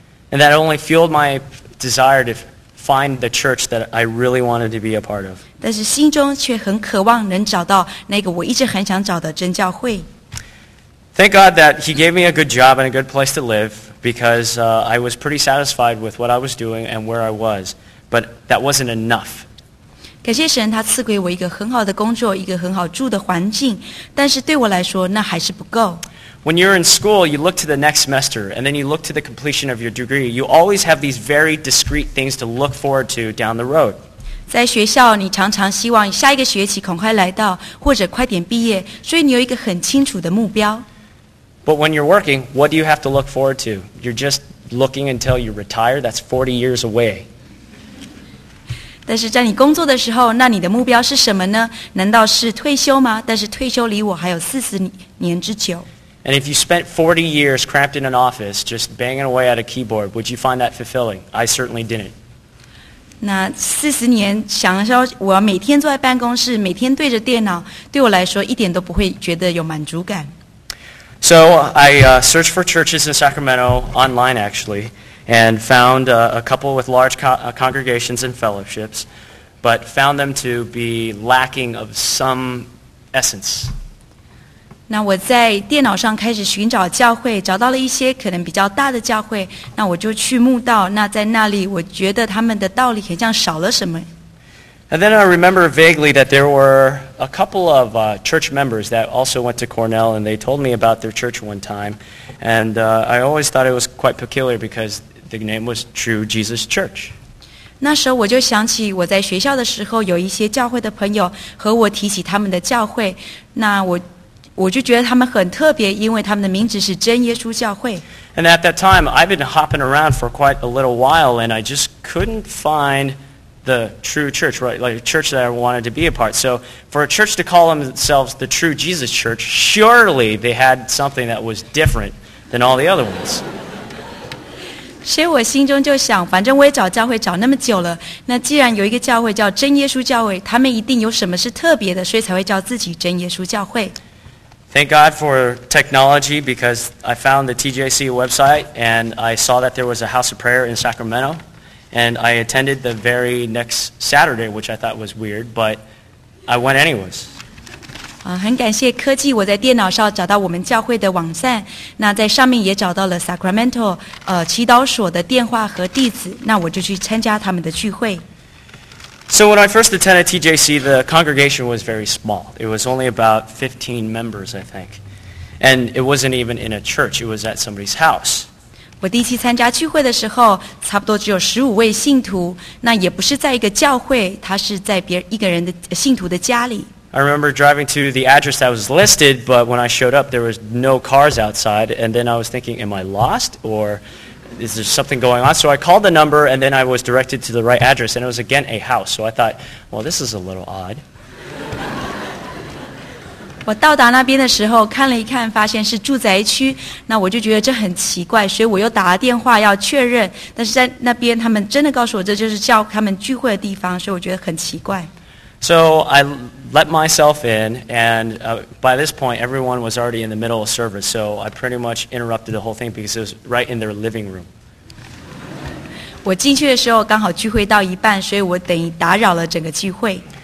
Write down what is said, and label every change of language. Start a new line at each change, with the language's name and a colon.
English: And that only fueled my desire to find the church that I really wanted to be a part of.
Chinese: 但是心中却很渴望能找到那个我一直很想找的真教会。
English: Thank God that he gave me a good job and a good place to live, because I was pretty satisfied with what I was doing and where I was. But that wasn't enough.
Chinese: 感谢神，他赐给我一个很好的工作，一个很好住的环境，但是对我来说，那还是不够。
English: When you're in school, you look to the next semester, and then you look to the completion of your degree. You always have these very discrete things to look forward to down the road.
Chinese: 在学校，你常常希望下一个学期赶快来到，或者快点毕业，所以你有一个很清楚的目标。
English: But when you're working, what do you have to look forward to? You're just looking until you retire. That's 40 years away.
Chinese: 但是在你工作的时候，那你的目标是什么呢？难道是退休吗？但是退休离我还有40年之久。
English: And if you spent 40 years cramped in an office, just banging away at a keyboard, would you find that fulfilling? I certainly didn't.
Chinese: 那40年想说我每天坐在办公室，每天对着电脑，对我来说一点都不会觉得有满足感。
English: So I searched for churches in Sacramento online, actually, and found a couple with large congregations and fellowships, but found them to be lacking of some essence.
Chinese: 那我在电脑上开始寻找教会，找到了一些可能比较大的教会，那我就去慕道，那在那里我觉得他们的道理很像少了什么。
English: And then I remember vaguely that there were a couple of church members that also went to Cornell, and they told me about their church one time. And I always thought it was quite peculiar because the name was True Jesus Church.
Chinese: 那时候我就想起我在学校的时候有一些教会的朋友和我提起他们的教会，那我就觉得他们很特别，因为他们的名字是真耶稣教会。
English: And at that time, I've been hopping around for quite a little while, and I just couldn't find the true church, right? Like a church that I wanted to be a part. So for a church to call themselves the True Jesus Church, surely they had something that was different than all the other ones.
Chinese: 所以我心中就想，反正我也找教会找那么久了，那既然有一个教会叫真耶稣教会，他们一定有什么是特别的，所以才会叫自己真耶稣教会。
English: Thank God for technology, because I found the TJC website and I saw that there was a house of prayer in Sacramento. And I attended the very next Saturday, which I thought was weird, but I went anyways.
Chinese: 很感谢科技，我在电脑上找到我们教会的网站，那在上面也找到了 Sacramento 祈祷所的电话和地址，那我就去参加他们的聚会。
English: So when I first attended TJC, the congregation was very small. It was only about 15 members, I think. And it wasn't even in a church, it was at somebody's house.
Chinese: 我第一次参加聚会的时候，差不多只有15位信徒，那也不是在一个教会，他是在别一个人的信徒的家里。
English: I remember driving to the address that was listed, but when I showed up, there was no cars outside, and then I was thinking, am I lost, or is there something going on? So I called the number, and then I was directed to the right address, and it was again a house, so I thought, well, this is a little odd.
Chinese: 我到达那边的时候看了一看，发现是住宅区，那我就觉得这很奇怪，所以我又打了电话要确认，但是在那边他们真的告诉我这就是叫他们聚会的地方，所以我觉得很奇怪。
English: So I let myself in, and by this point everyone was already in the middle of service, so I pretty much interrupted the whole thing because it was right in their living room.
Chinese: 我进去的时候刚好聚会到一半，所以我等于打扰了整个聚会。